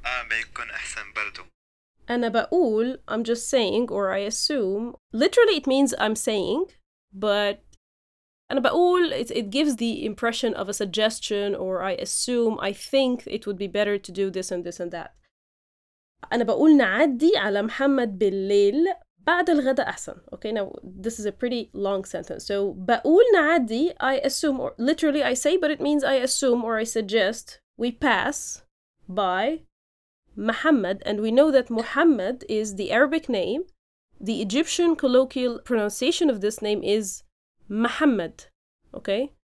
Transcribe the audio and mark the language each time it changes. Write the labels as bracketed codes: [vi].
[ar] بيكون أحسن برضو. أنا بقول, [en] I'm just saying, or I assume, literally it means I'm saying, but أنا بقول, it gives the impression of a suggestion, or I assume, I think it would be better to do this and this and that. [ar] أنا بقول نعدي على محمد بالليل بعد الغداء أحسن. [en] Okay, now this is a pretty long sentence. So [ar] بقول نعدي, [en] I assume, or literally I say, but it means I assume or I suggest we pass by Muhammad, and we know that Muhammad is the Arabic name. The Egyptian colloquial pronunciation of this name is Muhammad. Okay?